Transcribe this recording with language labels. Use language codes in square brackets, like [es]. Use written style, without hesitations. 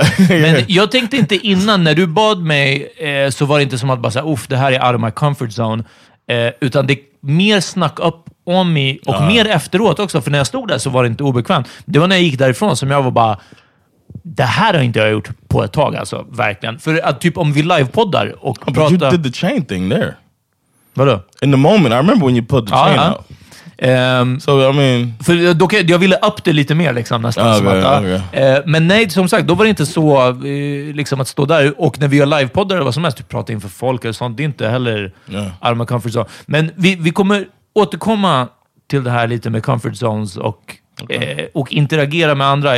[sv] Men jag tänkte inte innan, när du bad mig så var det inte som att bara säga, uff, det här är [en] out of my comfort zone. [sv] Utan det mer snack upp om mig och mer efteråt också, för när jag stod där så var det inte obekvämt. Det var när jag gick därifrån som jag var bara, det här har inte jag gjort på ett tag, alltså verkligen. För att typ om vi livepoddar och pratar... [en] But you did the chain thing there. [sv] Vadå? [en] In the moment, I remember when you put the chain out. So I mean, [sv] för då jag ville upp det lite mer liksom nästan men nej, som sagt, då var det inte så liksom att stå där. Och när vi gör livepoddar, det var som mest typ prata inför folk eller sånt, det är inte heller arma comfort zone. Men vi kommer återkomma till det här lite med comfort zones och interagera med andra.